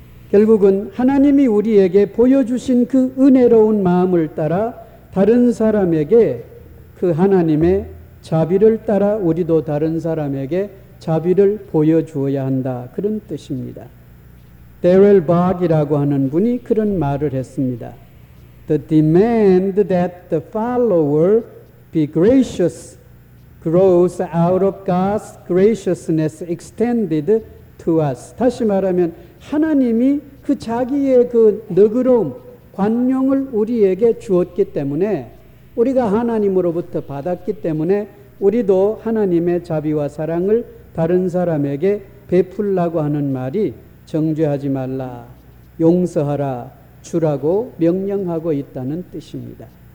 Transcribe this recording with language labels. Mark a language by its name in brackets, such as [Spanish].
[Korean] 결국은 하나님이 우리에게 보여주신 그 은혜로운 마음을 따라 다른 사람에게 그 하나님의 자비를 따라 우리도 다른 사람에게 자비를 보여주어야 한다. 그런 뜻입니다. 데렐 박이라고 하는 분이 그런 말을 했습니다. [English] The demand that the follower be gracious grows out of God's graciousness extended to us. [Korean] 다시 말하면 하나님이 그 자기의 그 너그러움, 관용을 우리에게 주었기 때문에 우리가 하나님으로부터 받았기 때문에 우리도 하나님의 자비와 사랑을 다른 사람에게 베풀라고 하는 말이 정죄하지 말라, 용서하라, 주라고 명령하고 있다는 뜻입니다.